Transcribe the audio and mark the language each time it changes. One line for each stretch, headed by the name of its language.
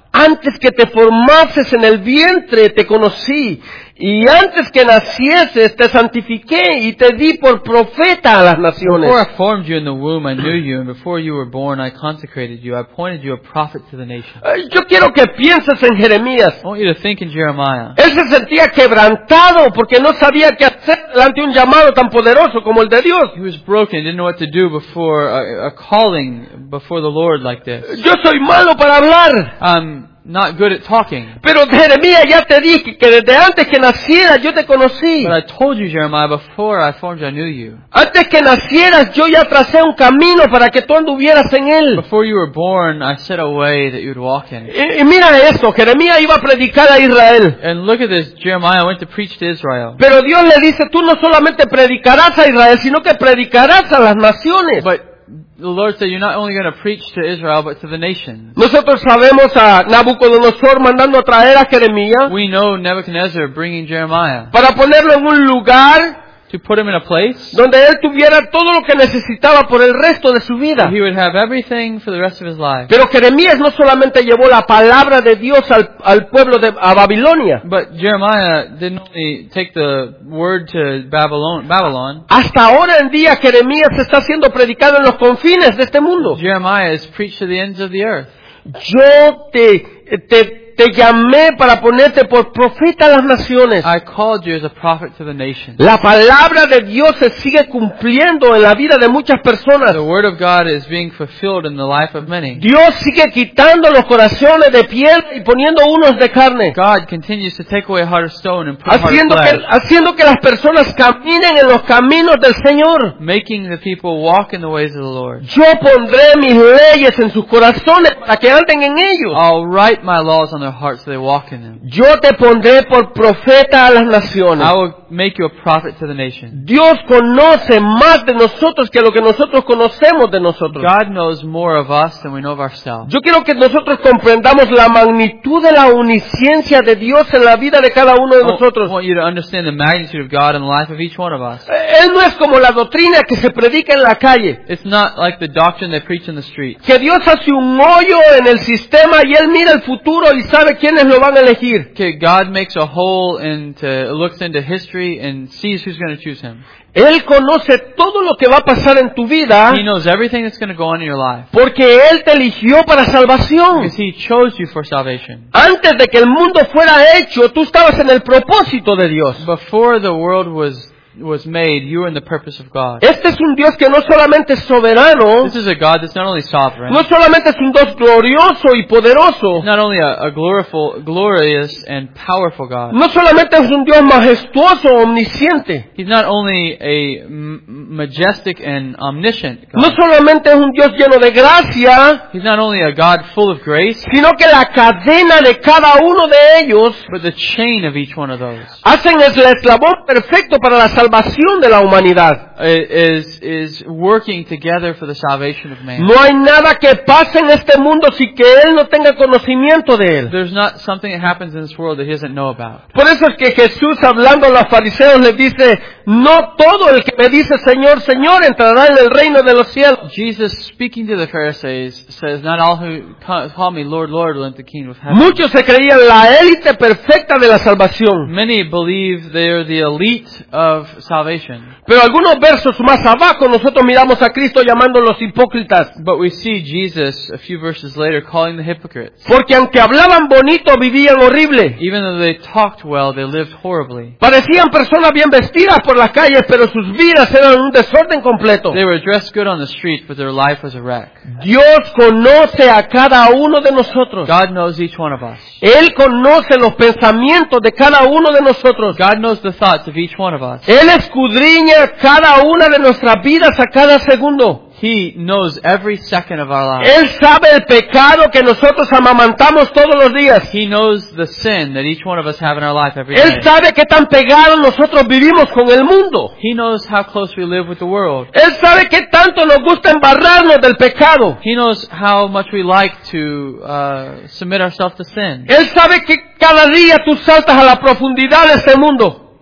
Spanish: Antes que te formases en el vientre te conocí, y antes que nacieses te santifiqué y te di por profeta a las naciones.
English: Before I formed you in the womb I knew you, and before you were born I consecrated you, I appointed you a prophet to the nation.
Spanish: Yo quiero que pienses en Jeremías.
English: I want you to think in Jeremiah.
Spanish: Él se sentía quebrantado porque no sabía qué hacer ante un llamado tan poderoso como el de Dios.
English: He was broken, didn't know what to do before a calling before the Lord like this.
Spanish: Yo soy malo para hablar.
English: Not good at talking.
Spanish: Pero Jeremías, ya te dije que desde antes que nacieras yo te conocí.
English: But I told you, Jeremiah, before I formed you, I knew you.
Spanish: Antes que nacieras yo ya tracé un camino para que tú anduvieras en él.
English: Before you were born, I set a way that you'd walk in.
Spanish: Y mira esto, Jeremías iba a predicar a Israel.
English: And look at this, Jeremiah went to preach to Israel.
Spanish: Pero Dios le dice, tú no solamente predicarás a Israel, sino que predicarás a las naciones.
English: But the Lord said, you're not only going to preach to Israel, but to the nations.
Spanish: Nosotros sabemos a Nabucodonosor mandando a traer a Jeremías.
English: We know Nebuchadnezzar bringing Jeremiah.
Spanish: Para ponerlo en un lugar.
English: To put him in a place.
Spanish: Donde él tuviera todo lo que necesitaba por el resto de su vida.
English: He would have everything for the rest of his life.
Spanish: Pero Jeremías no solamente llevó la palabra de Dios al pueblo de a Babilonia.
English: But Jeremiah didn't only take the word to Babylon.
Spanish: Hasta ahora en día Jeremías está siendo predicado en los confines de este mundo.
English: Jeremiah is preached to the ends of the earth.
Spanish: Yo te llamé para ponerte por profeta a las naciones.
English: I called you as a prophet to the nations.
Spanish: La palabra de Dios se sigue cumpliendo en la vida de muchas personas.
English: The word of God is being fulfilled in the life of many.
Spanish: Dios sigue quitando los corazones de piel y poniendo unos de carne.
English: God continues to take away heart of stone and put
Spanish: haciendo
English: heart of flesh.
Spanish: Haciendo que las personas caminen en los caminos del Señor.
English: Making the people walk in the ways of the Lord.
Spanish: Yo pondré mis leyes en sus corazones para que anden en ellos.
English: I'll write my laws on their hearts so they walk in them.
Spanish: Yo te pondré por profeta a las naciones.
English: I will make you a prophet to the nation.
Spanish: Dios conoce más de nosotros que lo que nosotros conocemos de nosotros.
English: God knows more of us than we know of ourselves.
Spanish: Yo quiero que nosotros comprendamos la magnitud de la omnisciencia de Dios en la vida de cada uno de nosotros.
English: I want you to understand the magnitude of God in the life of each one of us.
Spanish: Él no es como la doctrina que se predica en la calle.
English: It's not like the doctrine they preach in the street.
Spanish: Que Dios hace un hoyo en el sistema y Él mira el futuro y sabe quiénes lo van a elegir.
English: Que God makes a hole into looks into history and sees who's going to choose him.
Spanish: Él conoce todo lo que va a pasar en tu vida.
English: He knows everything that's going to go on in your life.
Spanish: Porque Él te eligió para salvación.
English: Because he chose you for salvation.
Spanish: Antes de que el mundo fuera hecho, tú estabas en el propósito de Dios.
English: Before the world was made, you are in the purpose of God.
Spanish: Este es un Dios que no solamente es soberano.
English: This is a God that's not only sovereign.
Spanish: No solamente es un Dios glorioso y poderoso.
English: Not only a glorious and powerful God.
Spanish: No solamente es un Dios majestuoso, omnisciente.
English: He's not only a majestic and omniscient God.
Spanish: No solamente es un Dios lleno de gracia.
English: He's not only a God full of grace.
Spanish: Sino que la cadena de cada uno de ellos.
English: But the chain of each one of those.
Spanish: Hacen el eslabón perfecto para la salvación de la humanidad.
English: Is working together for the salvation of man.
Spanish: No hay nada que pase en este mundo sin que él no tenga conocimiento de él.
English: There's not something that happens in this world that he doesn't know about.
Spanish: Por eso es que Jesús hablando a los fariseos les dice, no todo el que me dice Señor, Señor entrará en el reino de los cielos.
English: Jesus speaking to the Pharisees says, not all who call me Lord, Lord will enter the kingdom of heaven.
Spanish: Muchos se creían la élite perfecta de la salvación.
English: Many believe they are the elite of salvation.
Spanish: Pero algunos versos más abajo nosotros miramos a Cristo llamando a los hipócritas.
English: But we see Jesus a few verses later calling the hypocrites.
Spanish: Porque aunque hablaban bonito, vivían horrible.
English: Even though they talked well, they lived horribly.
Spanish: Parecían personas bien vestidas por las calles, pero sus vidas eran un desorden completo.
English: They were dressed good on the street, but their life was a wreck.
Spanish: Dios conoce a cada uno de nosotros.
English: God knows each one of us.
Spanish: Él conoce los pensamientos de cada uno de nosotros.
English: God knows the thoughts of each one of us.
Spanish: Él escudriña cada una de nuestras vidas a cada segundo.
English: He knows every second of our lives.
Spanish: Él sabe el pecado que nosotros amamantamos todos los días.
English: He knows the sin that each one of us have in our life every day.
Spanish: Él sabe qué tan pegado nosotros vivimos con el mundo.
English: He knows how close we live with the world.
Spanish: Él sabe qué tanto nos gusta embarrarnos del pecado.
English: He knows how much we like to submit ourselves to sin.
Spanish: Él sabe que cada día tú saltas a la profundidad de este mundo.